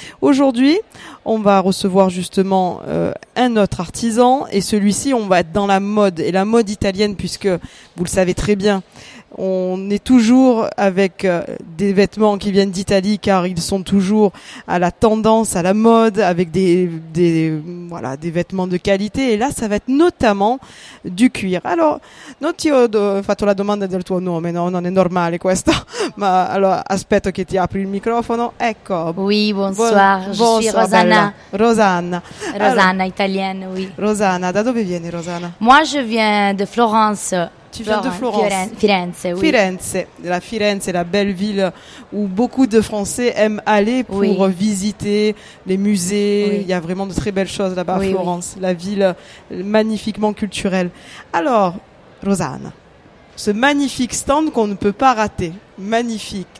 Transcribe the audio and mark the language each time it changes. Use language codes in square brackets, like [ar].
[fr] Aujourd'hui, on va recevoir justement un autre artisan et celui-ci, on va être dans la mode et la mode italienne puisque, vous le savez très bien, on est toujours avec des vêtements qui viennent d'Italie car ils sont toujours à la tendance, à la mode, avec des vêtements de qualité. Et là, ça va être notamment du cuir. [it] Alors, non ti ho fatto la domanda del tuo nome, no? Non è normale questo. Ma allora, aspetto che ti apri il microfono. Ecco. [fr] Oui, bonsoir. Bonsoir. Rosanna. Bella. Rosanna. Rosanna, allora, italienne, oui. [it] Rosanna, da dove vieni, Rosanna? [fr] Moi, je viens de Florence. Tu viens de Florence. Firenze, oui. Firenze. La Firenze est la belle ville où beaucoup de Français aiment aller pour oui. visiter les musées. Oui. Il y a vraiment de très belles choses là-bas à Florence. Oui. La ville magnifiquement culturelle. Alors, Rosanna, ce magnifique stand qu'on ne peut pas rater. Magnifique.